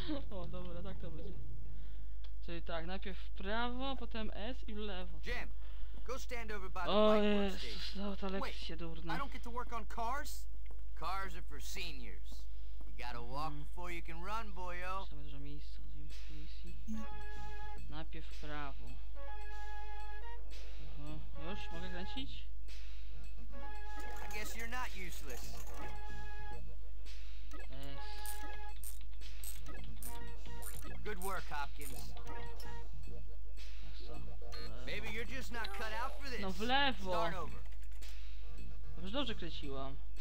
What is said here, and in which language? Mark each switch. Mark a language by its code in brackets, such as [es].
[pl] O, dobra, tak to będzie. Czyli tak, najpierw w prawo, potem S i w lewo. [en] Jim, go stand over by the [pl] Ta lekcja durna. [en] I don't get to work on cars. Cars are for seniors. You gotta walk before you can run, boyo. [pl] Trzeba dużo miejsca. Najpierw w prawo. Już, mogę kręcić? [en] I guess you're not useless. S. Good work, Hopkins. Maybe you're just not cut out for this. [pl] No w lewo. [en] Start over. [pl] Dobrze kręciłam.